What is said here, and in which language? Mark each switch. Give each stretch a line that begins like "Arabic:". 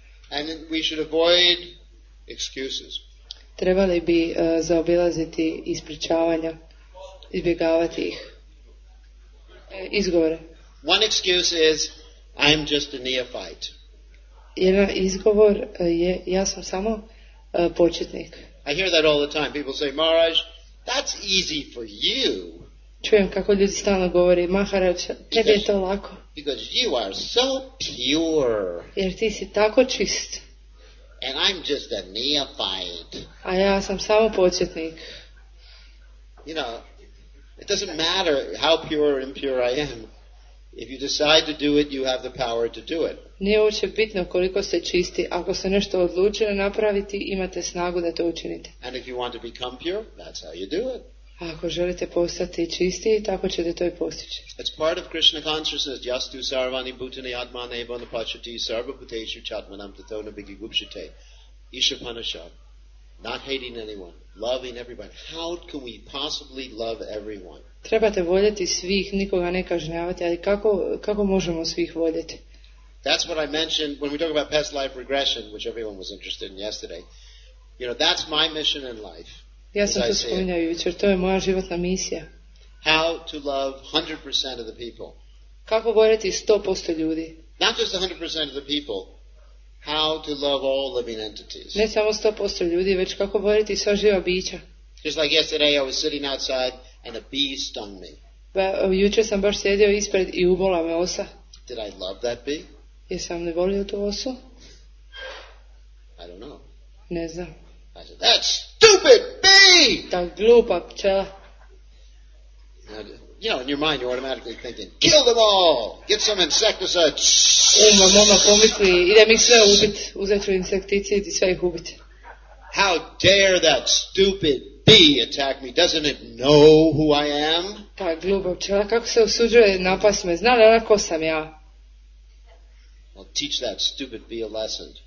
English: And we should avoid excuses.
Croatian: Trebali bi zaobilaziti ispričavanja, izbjegavati ih, izgovore.
English: One excuse is, I'm just a neophyte.
Croatian: Jedan izgovor je, ja sam samo početnik.
English: I hear that all the time. People say, Maharaj, that's easy for you.
Croatian: Čujem kako ljudi stalno govori, Maharaj, tebi je to lako.
English: Because you are so pure.
Croatian: Jer ti si tako čist.
English: And I'm just a neophyte.
Croatian: A ja sam samo početnik.
English: You know, it doesn't matter how pure or impure I am. If you decide to do it, you have the power to do it.
Croatian: Nije uopće bitno koliko ste čisti. Ako se nešto odlučite napraviti, imate snagu da to učinite.
English: And if you want to become pure, that's how you do it.
Croatian: Ako želite postati čisti, tako ćete to i postići.
English: It's part of Krishna consciousness.
Sanskrit: Yastu sarvani bhutani atmane bhana pachati sarva bhuteshu chatmanam tathona bhigi gupshate. Ishapanishad.
English: Not hating anyone. Loving everybody. How can we possibly love everyone?
Croatian: Trebate voljeti svih, nikoga ne kažnjavati, ali kako možemo svih voljeti?
English: That's what I mentioned when we talk about past life regression, which everyone was interested in yesterday. You know, that's my mission in life.
Croatian: Ja sam to spominjao jučer, to je moja životna misija.
English: How to love 100% of the people.
Croatian: Kako voljeti 100% ljudi?
English: Not just 100% of the people. How to love all living entities.
Croatian: Ne samo 100% ljudi, već kako voljeti sva živa bića.
English: Just like yesterday, I was sitting outside and a bee stung me.
Croatian: Jučer sam baš sjedio ispred i ubola me osa.
English: Did I love that bee?
Croatian: Jesam li volio tu osu?
English: I don't know.
Croatian: Ne znam.
English: I said, that stupid bee!
Croatian: Ta glupa pčela.
English: You know, in your mind, you're automatically thinking, kill them all! Get some insecticide!
Croatian: Mama pomisli, idem ih sve ubit. Uzet ću insekticid i sve ih ubit.
English: How dare that stupid bee attack me? Doesn't it know who I am?
Croatian: Ta glupa pčela, kako se usuđuje napas me? Zna li ona ko sam ja?
English: I'll teach that stupid bee a lesson.